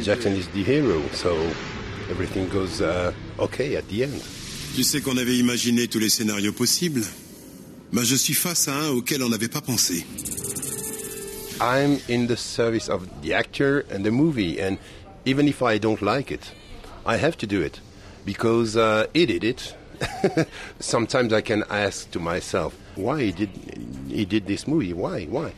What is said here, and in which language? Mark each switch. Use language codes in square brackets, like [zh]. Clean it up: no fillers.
[en] Jackson is the hero, so everything goes okay at the end. [fr] Tu sais qu'on avait imaginé tous les scénarios possibles, mais je suis face à un auquel on n'avait pas pensé. [en] I'm in the service of the actor and the movie, and even if I don't like it, I have to do it, because he did it. Sometimes I can ask to myself, why he did this movie? Why?